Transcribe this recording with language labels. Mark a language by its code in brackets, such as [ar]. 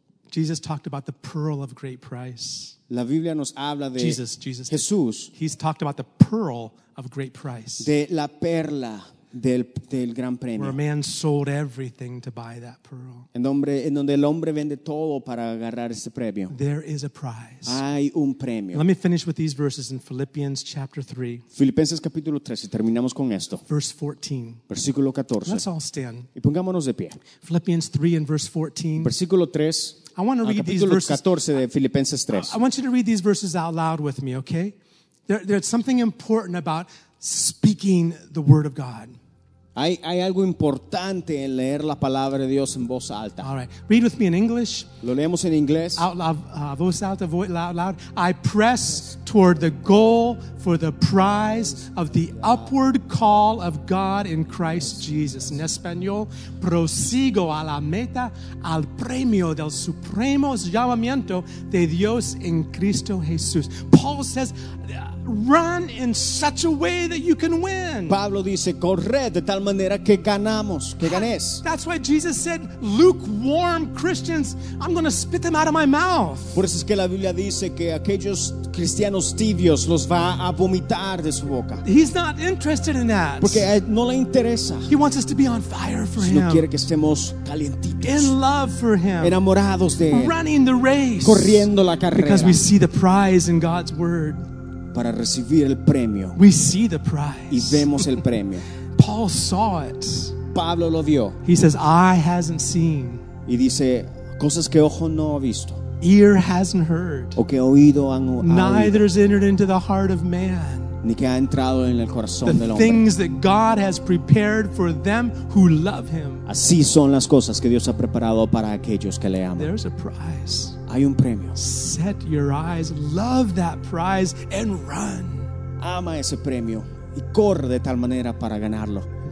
[en] Jesus talked about the pearl of great price. [es] La Biblia nos habla de [en] Jesus. [es] Jesús. [en] He's talked about the pearl of great price. [es] De la perla del gran premio. [en] Where a man sold everything to buy that pearl. [es] En donde el hombre vende todo para agarrar ese premio. [en] There is a prize. [es] Hay un premio. [en] Let me finish with these verses in Philippians chapter 3. [es] Filipenses capítulo 3 y terminamos con esto. [en] Verse 14. [es] Versículo 14. [en] Let's all stand. [es] Y pongámonos de pie. [en] Philippians 3 and verse 14. [es] Versículo 3. [en] I want to read these verses. [es] 14 de Filipenses 3. [en] I want you to read these verses out loud with me, okay? There's something important about speaking the word of God. [es] Hay algo importante en leer la palabra de Dios en voz alta. [en] All right, read with me in English. [es] Lo leemos en inglés. [en] Out loud, [es] voz alta, [en] out loud. I press toward the goal for the prize of the upward call of God in Christ Jesus. [es] En español, prosigo a la meta, al premio del supremo llamamiento de Dios en Cristo Jesús. [en] Paul says, run in such a way that you can win. [es] Pablo dice, corred de tal manera que ganamos, que ganes. [en] That's why Jesus said, lukewarm Christians, I'm going to spit them out of my mouth. [es] Por eso es que la Biblia dice que aquellos cristianos tibios los va a vomitar de su boca. [en] He's not interested in that. [es] Porque no le interesa. [en] He wants us to be on fire for [es] sino [en] him. [es] Quiere que estemos calientitos. [en] In love for him. [es] Enamorados de él. [en] Running the race. [es] Corriendo la carrera. [en] Because we see the prize in God's word. [es] Para recibir el premio. [en] We see the prize. [es] Y vemos el premio. [en] Paul saw it. [es] Pablo lo vio. [en] He says, I hasn't seen. [es] Y dice, cosas que ojo no ha visto. [en] Ear hasn't heard. [es] O que oído han oído. [en] Neither has entered into the heart of man. [es] Ni que ha entrado en el corazón del hombre. [en] The things that God has prepared for them who love him. [es] Así son las cosas que Dios ha preparado para aquellos que le aman. [en] There's a prize. [es] Hay un premio. [en] Set your eyes, love that prize and run. [es] Ama ese premio y corre de tal manera para ganarlo.